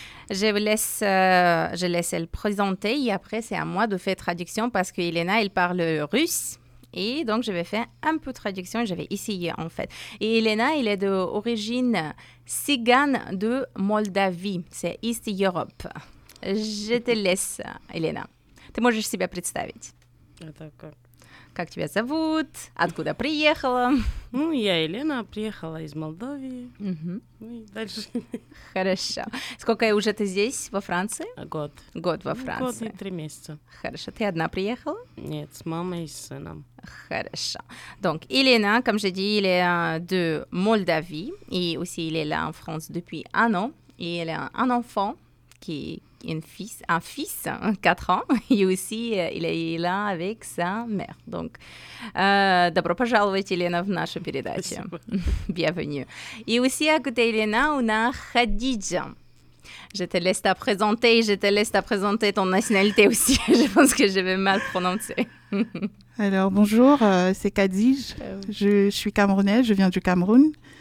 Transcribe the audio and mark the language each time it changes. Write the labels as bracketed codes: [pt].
[fr] Je laisse elle présenter et après c'est à moi de faire traduction parce qu'Elena elle parle russe. Et donc je vais faire un peu de traduction et j'avais essayé en fait. Et Elena elle est d'origine tsigane de Moldavie, c'est [en] East Europe. [fr] Je te laisse Elena. [ru] Ты можешь себя представить? [fr] D'accord. [ru] Как тебя зовут? Откуда приехала? Ну, я Елена, приехала из Молдавии. Угу. Ну и дальше. Хорошо. Сколько уже ты здесь, во Франции? Год. Год во Франции. Год и 3 месяца. Хорошо. Ты одна приехала? Нет, с мамой и с сыном. Хорошо. [fr] Donc, Елена, comme j'ai dit, elle est de Moldavie. Et aussi, elle est là en France depuis un an. Et elle a un enfant qui est... un fils, 4 ans, et aussi il est là avec sa mère. Donc, [ru] добро пожаловать, Елена, в нашу передачу. [fr] Bienvenue. Et aussi à côté Елена, on a Khadija. Je te laisse présenter ton nationalité aussi. Je pense que je vais mal prononcer. Alors, bonjour, c'est Khadija. Je suis camerounaise, je viens du Cameroun.